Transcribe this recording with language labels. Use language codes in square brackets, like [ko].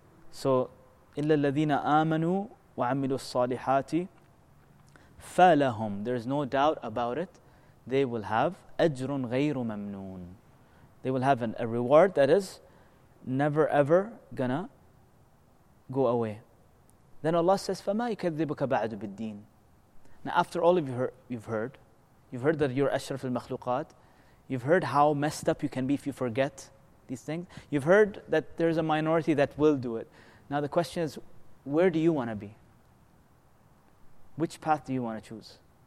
[en] So, [ar] إِلَّا الَّذِينَ آمَنُوا وَعَمِلُوا الصَّالِحَاتِ فَلَهُمْ. [en] There is no doubt about it. They will have [ar] أَجْرٌ غَيْرُ مَمْنُونَ. [en] They will have a reward that is never ever gonna go away. Then Allah says, [ar] فَمَا يُكَذِّبُكَ بَعْدُ بِالدِّينِ. [en] Now after all of you you've heard that you're [ar] أَشْرَفُ الْمَخْلُوقَاتِ. [en] You've heard how messed up you can be if you forget these things. You've heard that there's a minority that will do it. Now the question is, where do you want to be? Which path do you want to choose?